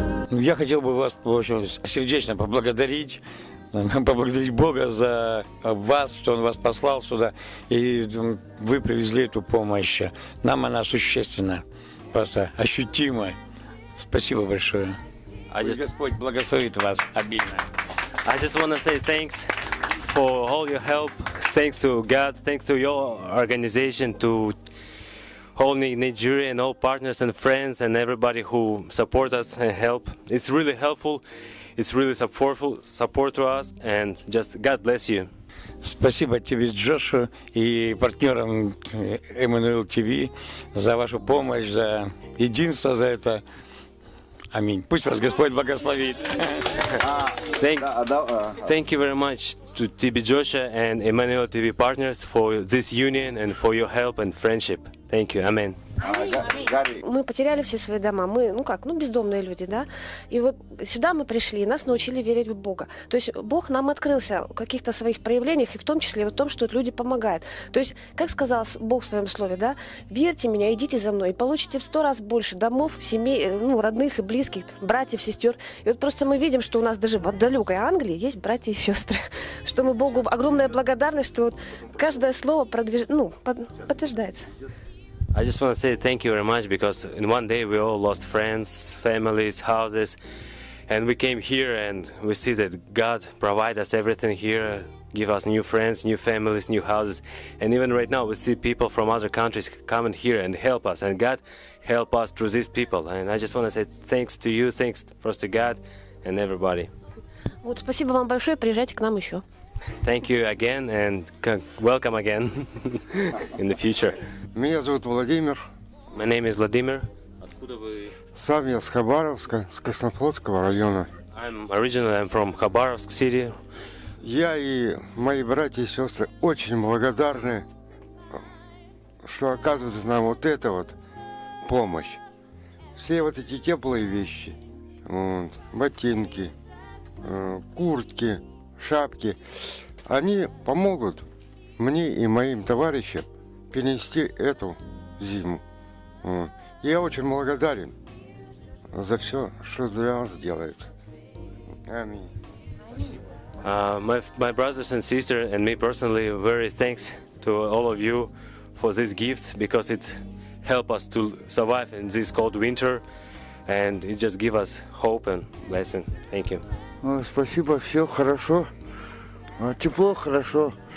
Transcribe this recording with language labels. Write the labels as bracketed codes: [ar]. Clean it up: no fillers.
[ru] Я хотел бы вас сердечно поблагодарить Бога за вас, что Он вас послал сюда, и вы привезли эту помощь. Нам она существенна, просто ощутима. Спасибо большое. Господь благословит вас обильно. [en] I just want to say thanks for all your help. Thanks to God, thanks to your organization, to whole Nigeria and all partners and friends and everybody who support us and help. It's really helpful. It's really supportful support to us, and just God bless you. [ru] Спасибо тебе, Джошу, и партнерам Emmanuel TV за вашу помощь, за единство, за это. Аминь. Пусть вас Господь благословит. [en] Thank you very much to TB Joshua and Emmanuel TB partners for this union and for your help and friendship. Thank you. Amen. [ru] Мы потеряли все свои дома. Мы, ну как, ну бездомные люди, да? И вот сюда мы пришли, и нас научили верить в Бога. То есть Бог нам открылся в каких-то своих проявлениях, и в том числе в том, что люди помогают. То есть, как сказал Бог в своем слове, да? Верьте меня, идите за мной, и получите в 100 раз больше домов, семей, ну, родных и близких, братьев, сестер. И вот просто мы видим, что у нас даже в отдалекой Англии есть братья и сестры. Что мы Богу огромная благодарность, что вот каждое слово подтверждается. [en] I just want to say thank you very much, because in one day we all lost friends, families, houses, and we came here and we see that God provide us everything here, give us new friends, new families, new houses, and even right now we see people from other countries coming here and help us, and God help us through these people. And I just want to say thanks to you, thanks first to God and everybody. [ru] Вот, спасибо вам большое, приезжайте к нам еще. [en] Thank you again and welcome again in the future. [ru] Меня зовут Владимир. [en] My name is Vladimir. [ru] Откуда вы? Сам я с Хабаровска, с Краснофлотского района. [en] I'm from Khabarovsk city. [ru] Я и мои братья и сестры очень благодарны, что оказывают нам вот эту вот помощь. Все вот эти теплые вещи, вот, ботинки, куртки, шапки, они помогут мне и моим товарищам перенести эту зиму. Я очень благодарен за все, что для нас делают. Аминь. [en] My brothers and sisters and me personally very thanks to all of you for this gift, because it helped us to survive in this cold winter, and it just give us hope and blessing. Thank you. [ru] Спасибо, все хорошо. Тепло, хорошо.